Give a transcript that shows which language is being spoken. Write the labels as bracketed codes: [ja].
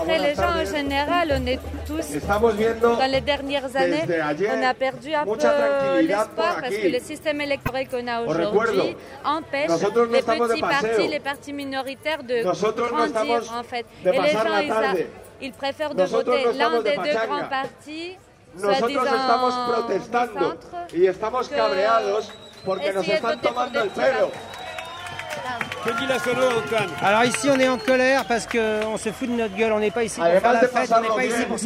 [fr] après, les gens tardes. En général, on est tous... Dans les dernières années, [es] ayer, [fr] on a perdu un peu l'espoir parce que le système électoral qu'on a aujourd'hui empêche les petits partis, les partis minoritaires de grandir, en fait. Et les gens, ils préfèrent de voter l'un des deux grands partis... [es] Nosotros estamos protestando y estamos cabreados porque nos están tomando el pelo. [fr] Alors ici on est en colère parce qu'on se fout de notre gueule, on n'est pas ici pour faire la fête, on n'est pas ici pour s'amuser.